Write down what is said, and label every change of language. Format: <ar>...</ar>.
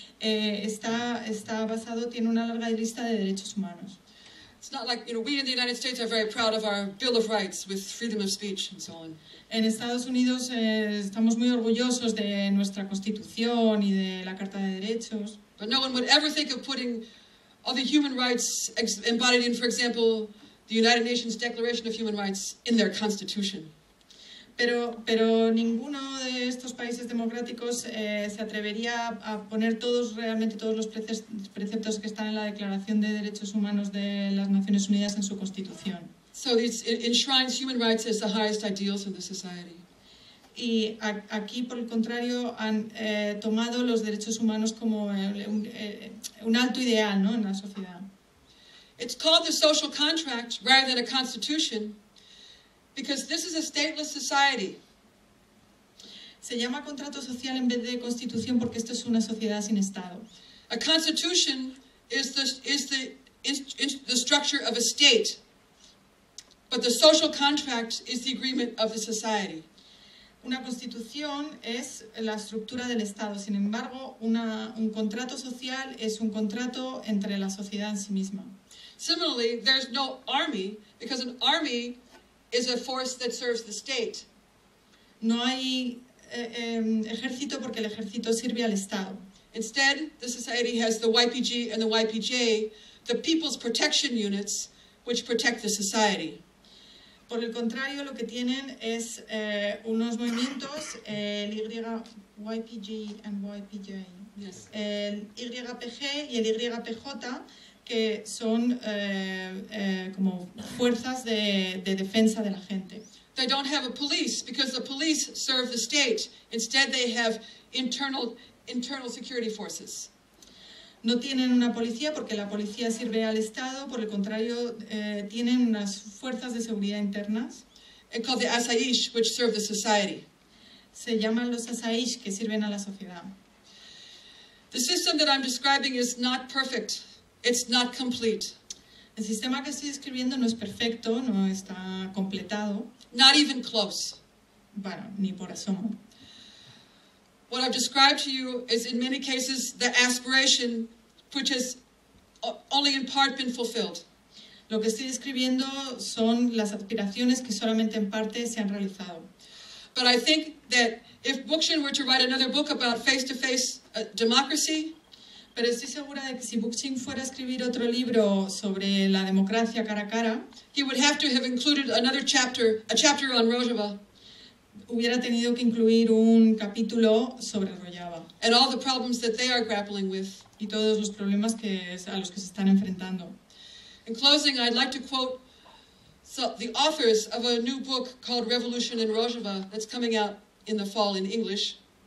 <es>está basado, tiene una larga lista de derechos humanos.</es> <en>It's not like, you know, we in the United States are very proud of our Bill of Rights with freedom of speech and so on.</en> <es>En Estados Unidos estamos muy orgullosos de nuestra Constitución y de la Carta de Derechos.</es> <en>But no one would ever think of putting all the human rights embodied in, for example, the United Nations Declaration of Human Rights in their constitution.</en> <es>Pero ninguno de estos países democráticos se atrevería a poner realmente todos los preceptos que están en la Declaración de Derechos Humanos de las Naciones Unidas en su constitución.</es> <en>So it enshrines human rights as the highest ideals of the society.</en> <es>Y aquí, por el contrario, han tomado los derechos humanos como un alto ideal, ¿no?, en la sociedad.</es> <en>It's called the social contract rather than a constitution because this is a stateless society.</en> <es>Se llama contrato social en vez de constitución porque esto es una sociedad sin estado.</es> <en>A constitution is the structure of a state, but the social contract is the agreement of the society.</en> <es>Una constitución es la estructura del Estado, sin embargo, un contrato social es un contrato entre la sociedad en sí misma.</es> <en>Similarly, there's no army because an army is a force that serves the state.</en> <es>No hay ejército porque el ejército sirve al Estado.</es> <en>Instead, the society has the YPG and the YPJ, the People's Protection Units, which protect the society.</en> <es>Por el contrario, lo que tienen es unos movimientos, el YPG</es> <en>and</en> <es>YPJ,</es> <en>yes.</en> <es>El YPG y el YPJ, que son como fuerzas de defensa de la gente.</es> <en>They don't have a police because the police serve the state. Instead, they have internal security forces.</en> <es>No tienen una policía porque la policía sirve al Estado, por el contrario, tienen unas fuerzas de seguridad internas.</es> <en>It's called the Asayish, which serve the society.</en> <es>Se llaman los Asayish, que sirven a la sociedad.</es> <en>The system that I'm describing is not perfect. It's not complete.</en> <es>El sistema que estoy describiendo no es perfecto, no está completado.</es> <en>Not even close.</en> <es>Bueno, ni por asomo.</es> <en>What I've described to you is in many cases the aspiration which has only in part been fulfilled.</en> <es>Lo que estoy describiendo son las aspiraciones que solamente en parte se han realizado.</es> <en>But I think that if Bookchin were to write another book about face-to-face democracy,</en> <es>pero estoy segura de que si Bookchin fuera a escribir otro libro sobre la democracia cara a cara,</es> <en>he would have to have included another chapter, a chapter on Rojava.</en> <es>Hubiera tenido que incluir un capítulo sobre Rojava.</es> <en>And all the problems that they are grappling with.</en> <es>Y todos los problemas a los que se están enfrentando.</es> <en>In closing, I'd like to quote the authors of a new book called Revolution in Rojava that's coming out in the fall in English.</en>